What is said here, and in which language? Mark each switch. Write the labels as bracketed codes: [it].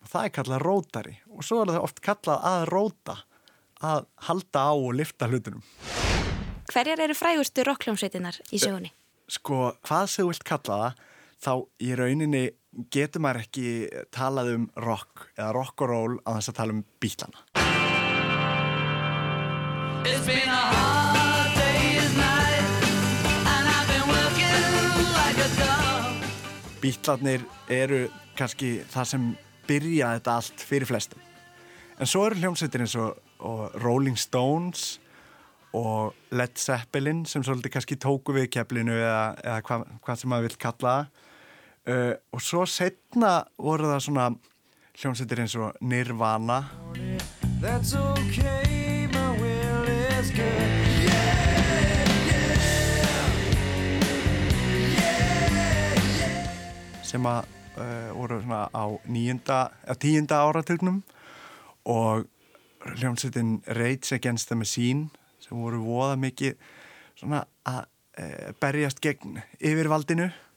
[is] Það er kallað rótari og svo er það oft kallað að róta, að halda á og lyfta hlutinum. Hverjar eru frægustu rokkljómsveitinnar í sögunni? Sko, hvað sem þú vilt kalla það, þá í rauninni getur maður ekki talað um rock eða rock og roll að þess að tala um bítlana. [en] It's been a hard day's night and I've been working like a dog. [is] Bítlarnir eru kannski það sem byrja þetta allt fyrir flestum. En svo eru hljómsveitir eins og Rolling Stones og Led Zeppelin sem svolítið kannski tóku við keflinu eða hvað sem maður vill kalla það. Og svo setna voru það svona hljómsveitir eins og Nirvana. [en] That's okay, my will is good. [is] Sem að voru svona á tíunda áratugnum og hljómsveitin Rage Against the Machine sem voru voða mikið svona að berjast gegn yfirvaldinu.